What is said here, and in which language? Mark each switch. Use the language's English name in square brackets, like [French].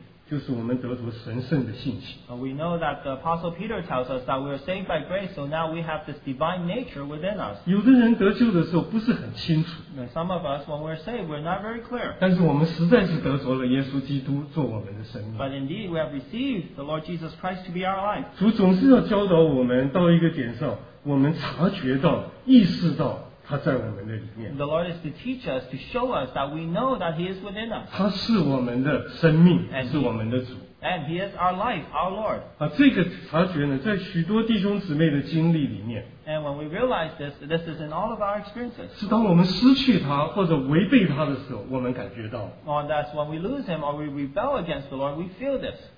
[Chinese] 我们知道使徒彼得告诉我们说，我们因着蒙恩得救，神赐给我们的恩典，就是我们得着神圣的性情。 [English] We know that the Apostle Peter tells us that we are saved by grace, so now we have this divine nature within us. [Chinese] 有的人得救的时候不是很清楚。 [English] Some of us, when we're saved, we're not very clear. [Chinese] 但是我们实在是得着了耶稣基督做我们的生命。 [English] But indeed, we have received the Lord Jesus Christ to be our life. [Chinese] 主总是要教导我们到一个点上，我们察觉到、意识到他在我们的里面。 [English] The Lord is to teach us, to show us that we know that He is within us. [Chinese] 他是我们的生命，是我们的主。 [English] And He is our life, our Lord. [Chinese] 这个察觉呢，在许多弟兄姊妹的经历里面。 [English] And when we realize this, this is in all of our experiences. [Chinese] 是当我们失去他或者违背他的时候，我们感觉到。 [English] Or that's when we lose Him or we rebel against the Lord, we feel this.